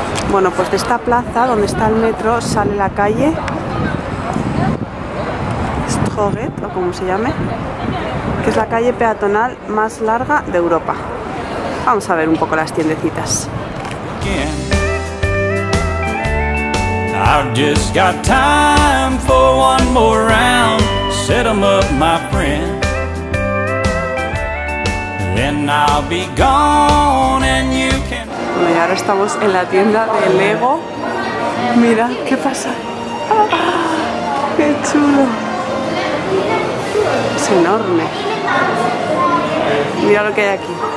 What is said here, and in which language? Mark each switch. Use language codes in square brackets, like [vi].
[es] Bueno, pues de esta plaza, donde está el metro, sale la calle Strøget, o como se llame, que es la calle peatonal más larga de Europa. Vamos a ver un poco las tiendecitas. [en] I've just got time for one more round. Set them up, my friend. Then I'll be gone and you can... [es] Bueno, y ahora estamos en la tienda de Lego. Mira, ¿qué pasa? ¡Ah! ¡Qué chulo! Es enorme. Mira lo que hay aquí.